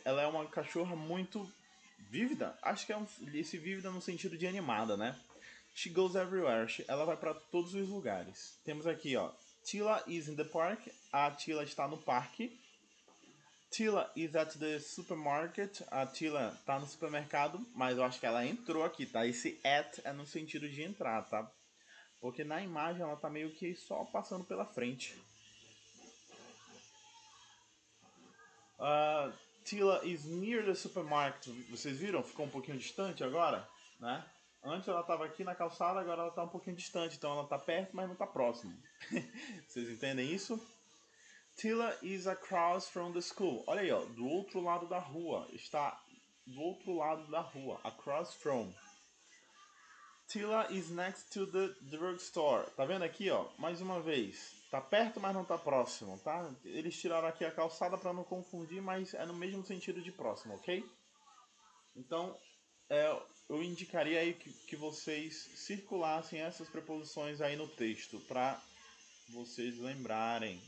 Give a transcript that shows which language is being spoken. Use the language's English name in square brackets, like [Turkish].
[Portuguese] Ela é uma cachorra muito vívida. Acho que é esse vívida no sentido de animada, né? [English] She goes everywhere. [Portuguese] Ela vai para todos os lugares. Temos aqui, ó. [English] Tila is in the park. [Portuguese] A Tila está no parque. [English] Tila is at the supermarket. [Portuguese] A Tila está no supermercado. Mas eu acho que ela entrou aqui, tá? Esse at é no sentido de entrar, tá? Porque na imagem ela tá meio que só passando pela frente. [English] Tila is near the supermarket. [Portuguese] Vocês viram? Ficou um pouquinho distante agora, né? Antes ela estava aqui na calçada, agora ela está um pouquinho distante. Então ela está perto, mas não está próximo. Vocês entendem isso? [English] Tila is across from the school. [Portuguese] Olha aí, ó, do outro lado da rua. Está do outro lado da rua. [English] Across from. Tila is next to the drugstore. [Portuguese] Tá vendo aqui? Ó, mais uma vez. Está perto, mas não está próximo. Tá? Eles tiraram aqui a calçada para não confundir, mas é no mesmo sentido de próximo, ok? Então, eu indicaria aí que vocês circulassem essas preposições aí no texto, para vocês lembrarem.